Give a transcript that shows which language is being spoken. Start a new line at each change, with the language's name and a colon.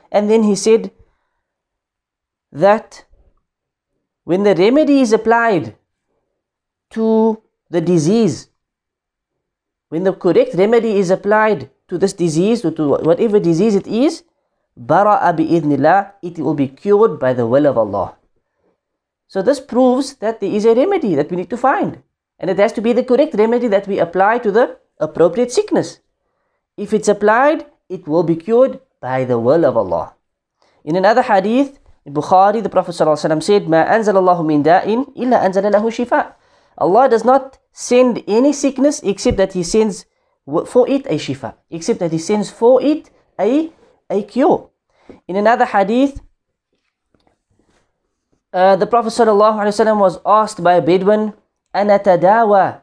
English: And then he said that when the remedy is applied to the disease, when the correct remedy is applied to this disease, or to whatever disease it is,
Arabic: بَرَأَ بِإِذْنِ اللَّهِ,
English: it will be cured by the will of Allah. So this proves that there is a remedy that we need to find, and it has to be the correct remedy that we apply to the appropriate sickness. If it's applied, it will be cured by the will of Allah. In another hadith, in Bukhari, the Prophet ﷺ said,
Arabic: مَا أَنزَلَ اللَّهُ مِنْ دَاءٍ إِلَّا أَنزَلَ لَهُ شِفَاءٍ.
English: Allah does not send any sickness except that He sends for it a shifa, except that He sends for it a cure. In another hadith, the Prophet sallallahu alaihi wasallam was asked by a Bedouin, "Anatadawa?